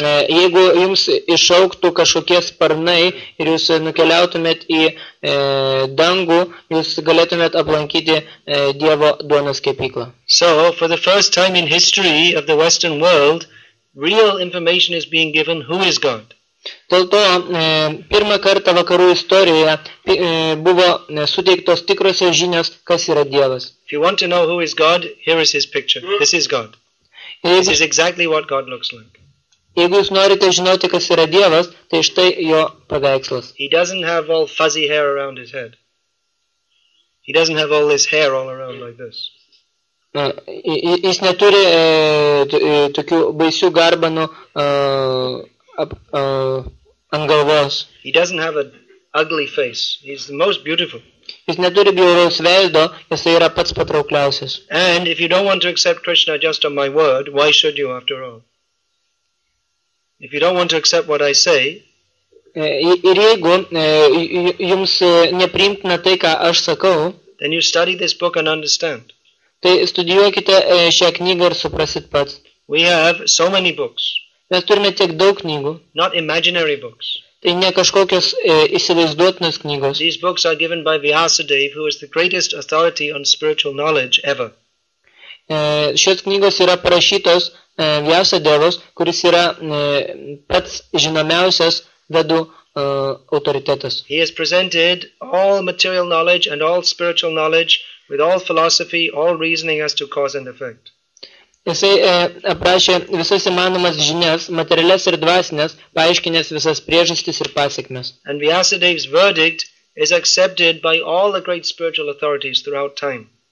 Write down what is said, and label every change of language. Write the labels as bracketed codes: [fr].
[lt] Jeigu jums išauktų kažkokie sparnai ir jūs nukeliautumėt į dangų, jūs galėtumėt aplankyti Dievo duonos kepyklą. [en] So, for the first time in history of the Western world, real information is being given who is God. [lt] Dėl to, pirmą kartą vakarų istorijoje buvo suteiktos tikrosios žinios, kas yra Dievas. [en] If you want to know who is God, here is his picture. This is God. This is exactly what God looks like. [lt] Jeigu jūs norite žinoti, kas yra Dievas, tai štai jo paveikslas. [en] He doesn't have all fuzzy hair around his head. He doesn't have all this hair all around like this. [lt] Jis neturi tokių baisių garbanų ant galvos. [en] He doesn't have an ugly face. He's the most beautiful. [lt] Jis neturi bjauraus veido, jis yra pats patraukliausias. [en] And if you don't want to accept Krishna just on my word, why should you after all? If you don't want to accept what I say, [lt] ir jeigu jums nepriimtina tai, ką aš sakau, [en] then you study this book and understand. [lt] Tai studijuokite šią knygą ir suprasit pats. [en] We have so many books. [lt] Mes turime tiek daug knygų. [en] Not imaginary books. [lt] Tai ne kažkokios įsivaizduotinės knygos. [en] These books are given by Vyasadeva, who is the greatest authority on spiritual knowledge ever. [lt] Šios knygos yra parašytos Vyasadevos, kuris yra pats žinomiausias vedų autoritetas. [en] He has presented all material knowledge and all spiritual knowledge with all philosophy, all reasoning as to cause and effect. [lt] Jisai aprašė visas įmanomas žinias, materialias ir dvasinės, paaiškinęs visas priežastis ir pasekmes. [en] And Vyasadeva's verdict is accepted by all the great spiritual authorities throughout time.